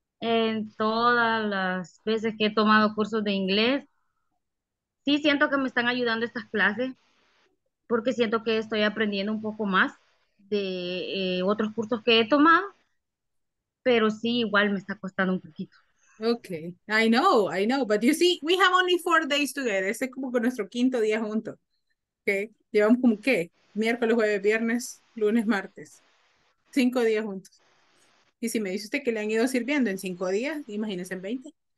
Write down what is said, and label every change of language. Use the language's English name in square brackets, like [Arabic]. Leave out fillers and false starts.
[Spanish] En todas las veces que he tomado cursos de inglés, sí siento que me están ayudando estas clases, porque siento que estoy aprendiendo un poco más de otros cursos que he tomado, pero sí, igual me está costando un poquito. [English] Okay, I know, but you see, we have only 4 days together. [Spanish] Este es como que nuestro quinto día juntos. Okay, llevamos como qué, miércoles, jueves, viernes, lunes, martes, 5 días juntos. Y si me dice usted que le han ido sirviendo en 5 días, imagínese en 20.